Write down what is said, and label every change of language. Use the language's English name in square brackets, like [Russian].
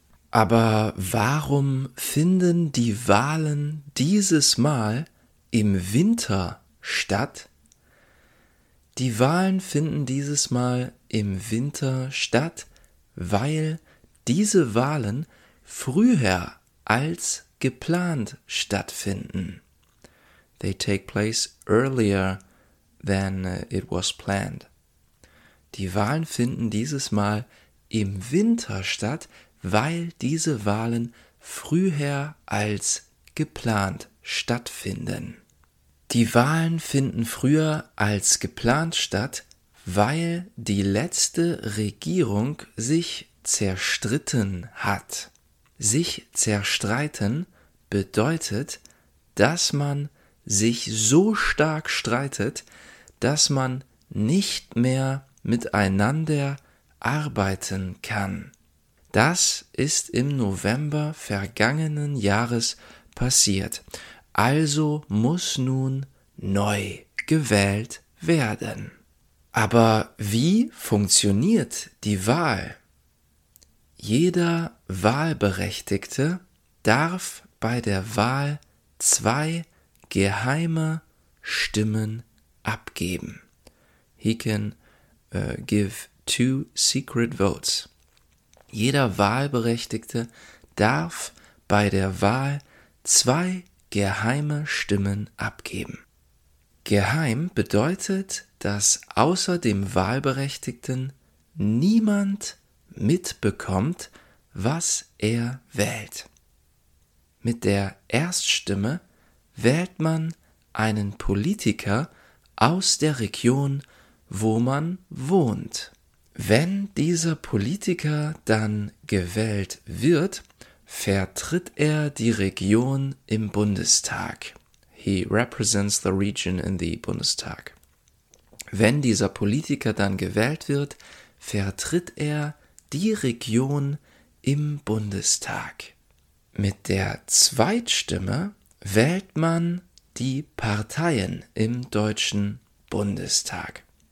[German] Aber warum finden die Wahlen dieses Mal im Winter statt? Die Wahlen finden dieses Mal im Winter statt, weil diese Wahlen früher als geplant stattfinden. [English] They take place earlier than it was planned. [German] Die Wahlen finden dieses Mal im Winter statt, weil diese Wahlen früher als geplant stattfinden. Die Wahlen finden früher als geplant statt, weil die letzte Regierung sich zerstritten hat. Sich zerstreiten bedeutet, dass man sich so stark streitet, dass man nicht mehr miteinander arbeiten kann. Das ist im November vergangenen Jahres passiert. Also muss nun neu gewählt werden. Aber wie funktioniert die Wahl? Jeder Wahlberechtigte darf bei der Wahl 2 geheime Stimmen abgeben. [English] He can give 2 secret votes. [German] Jeder Wahlberechtigte darf bei der Wahl 2 geheime Stimmen abgeben. Geheim bedeutet, dass außer dem Wahlberechtigten niemand mitbekommt, was er wählt. Mit der Erststimme wählt man einen Politiker aus der Region, wo man wohnt. Wenn dieser Politiker dann gewählt wird, vertritt er die Region im Bundestag. [English] He represents the region in the Bundestag. [German] Wenn dieser Politiker dann gewählt wird, vertritt er die Region im Bundestag. Mit der Zweitstimme wählt man die Parteien im Deutschen Bundestag.